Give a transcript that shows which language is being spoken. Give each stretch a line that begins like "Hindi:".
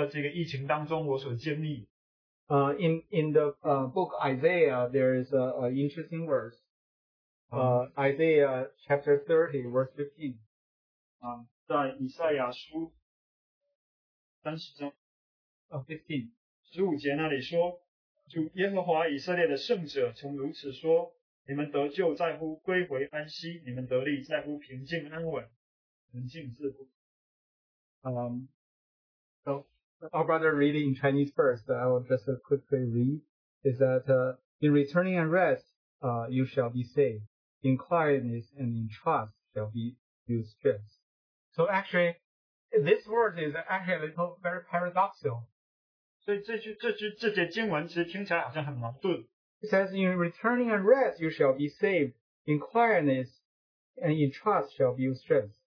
Chinese: 并不是一个很具体特别的事情，但是是在整个这个疫情当中我所经历。
English: In the book Isaiah, there is an interesting verse. Isaiah chapter 30, verse 15.
Chinese: 在以赛亚书30章。 15:15，主节那里说，主耶和华以色列的圣者曾如此说：你们得救在乎归回安息，你们得力在乎平静安稳，平静自古。
English: Our brother reading in Chinese first, I will just quickly read, is that in returning and rest, you shall be saved; in quietness and in trust shall be you strength. So actually, this word is actually a little very paradoxical.
Chinese: 所以这句这节经文其实听起来好像很矛盾。
English: It says, in returning and rest, you shall be saved; in quietness and in trust shall be your strength.